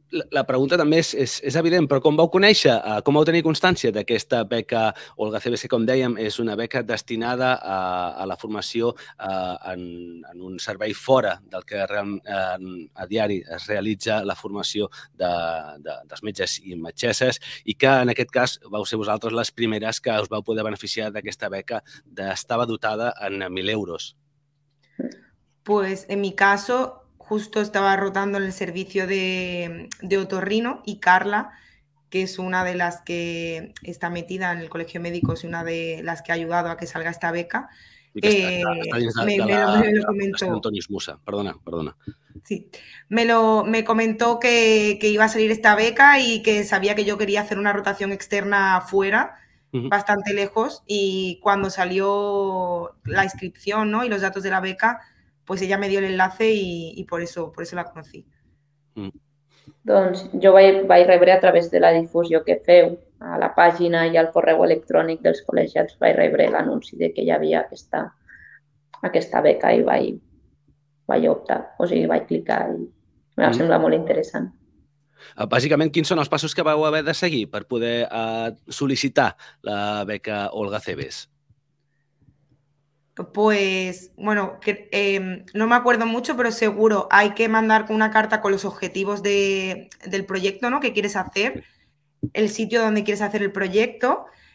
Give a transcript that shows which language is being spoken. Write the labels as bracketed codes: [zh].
[ca] La pregunta també és evident, però com vau conèixer, com vau tenir constància d'aquesta beca Olga CBC, com dèiem, és una beca destinada a la formació en un servei fora del que a diari es realitza la formació dels metges i metgesses, i que en aquest cas vau ser vosaltres les primeres que us vau poder beneficiar d'aquesta beca d'estava dotada en 1.000 euros. [es] Pues en mi caso, justo estaba rotando en el servicio de otorrino y Carla, que es una de las que está metida en el colegio médico, es una de las que ha ayudado a que salga esta beca, [ca] Sí que está dins de la presentació d'Antonis Musa. Perdona, perdona. [es] Sí, me comentó que iba a salir esta beca y que sabía que yo quería hacer una rotación externa fuera, bastante lejos, y cuando salió la inscripción, ¿no?, y los datos de la beca, pues ella me dio el enlace y por eso la conocí. [ca] Doncs jo vaig rebre a través de la difusió que feu a la pàgina i al correu electrònic dels col·legiats, vaig rebre l'anunci de que hi havia aquesta beca i vaig optar, o sigui, vaig clicar i em va semblar molt interessant. Bàsicament, quins són els passos que vau haver de seguir per poder sol·licitar la beca Olga Cebes? [es] Pues, bueno, no me acuerdo mucho, pero seguro hay que mandar una carta con los objetivos del proyecto, ¿no?, que quieres hacer, el sitio donde quieres hacer el proyecto.